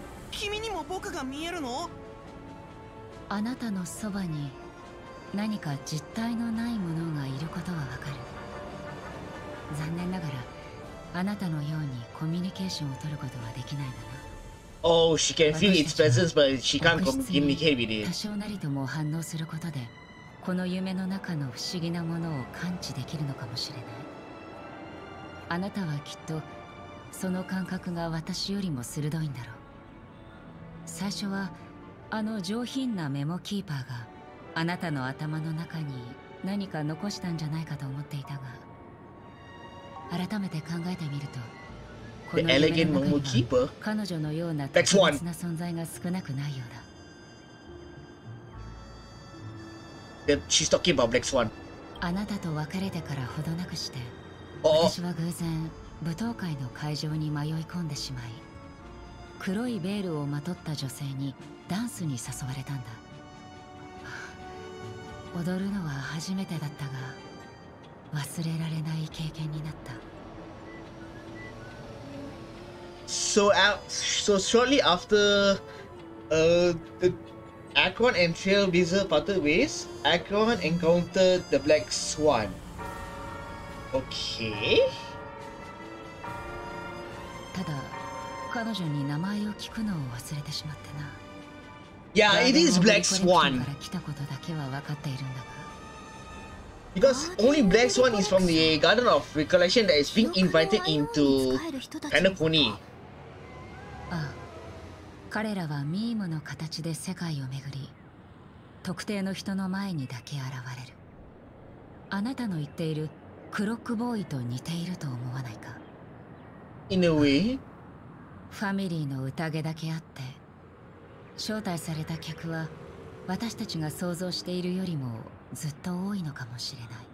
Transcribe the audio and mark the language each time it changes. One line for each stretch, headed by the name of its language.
Japanese: 君にも僕が見えるの？あなたのそばに何か実体のないものがいることはわかる。残念ながらあなたのようにコミュニケーションを取ることはできないのな。
English: Oh, she can feel its presence, but she can't communicate with it.
Japanese: 多少なりとも反応することでこの夢の中の不思議なものを感知できるのかもしれない。あなたはきっとその感覚が私よりも鋭いんだろう。最初はあの上品なメモキーパーがあなたの頭の中に何か残したんじゃないかと思っていたが、改めて考えてみるとこの夢の中には彼女のような特別な存在が少なくないようだ。
English: She's talking about next one.
Japanese: あなたと別れてからほどなくして、私は偶然舞踏会の会場に迷い込んでしまい、黒いベールをまとった女性にダンスに誘われたんだ。踊るのは初めてだったが、忘れられない経験になった。
English: So shortly after the Akron and Trail Wizard parted ways, Akron encountered the Black Swan. Okay.
Japanese: ただ彼女に名前を聞くのを忘れてしまってな。
English: Yeah, it is Black Swan.
Japanese: から来たことだけは分かっているんだが。
English: Because only Black Swan is from the Garden of Recollection that is being invited into Panacony.
Japanese: ああ、彼らはミームの形で世界を巡り、特定の人の前にだけ現れる。あなたの言っているクロックボーイと似ていると思わないか。
English: In a way.
Japanese: ファミリーの宴だけあって、招待された客は私たちが想像しているよりもずっと多いのかもしれない。